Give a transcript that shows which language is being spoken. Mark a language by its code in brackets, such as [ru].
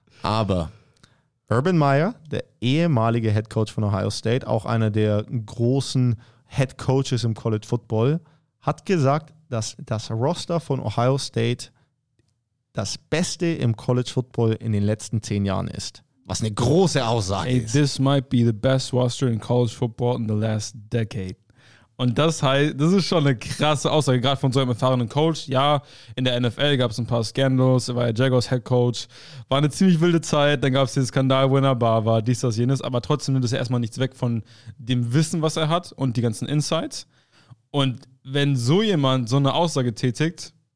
[de] Aber Urban Meyer, der ehemalige Head Coach von Ohio State, auch einer der großen Head Coaches im College Football, hat gesagt, dass das Roster von Ohio State das Beste im College Football in den letzten 10 Jahren ist. Was eine große Aussage ist. [en] This might be the best roster in college football in the last decade. [de] Und das heißt, das ist schon eine krasse Aussage, gerade von so einem erfahrenen Coach. Ja, in der NFL gab es ein paar Scandals, er war ja Jaguars Head Coach, war eine ziemlich wilde Zeit, dann gab es den Skandal, wo er bar war, dies, das, jenes, aber trotzdem nimmt es ja erstmal nichts weg von dem Wissen, was er hat und die ganzen Insights. Und wenn so jemand so eine Aussage tätigt,